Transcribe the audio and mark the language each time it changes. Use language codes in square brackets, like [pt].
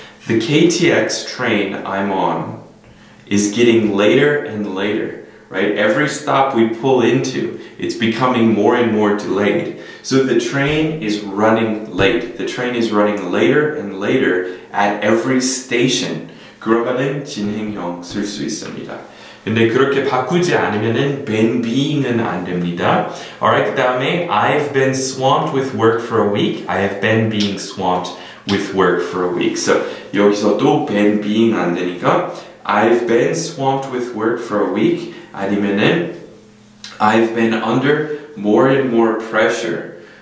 [en] The KTX train I'm on is getting later and later. Right? Every stop we pull into, it's becoming more and more delayed. So the train is running late. The train is running later and later at every station. [ko] 그러면은 진행형 쓸 수 있습니다. 근데 그렇게 바꾸지 않으면은 been being은 안 됩니다. [en] Alright, [ko] 그 다음에 [en] I've been swamped with work for a week. I have been being swamped with work for a week. So [ko] 여기서도 [en] been being [ko] 안 되니까 [en] I've been swamped with work for a week. [ko] 아니면은 [en] I've been under more and more pressure.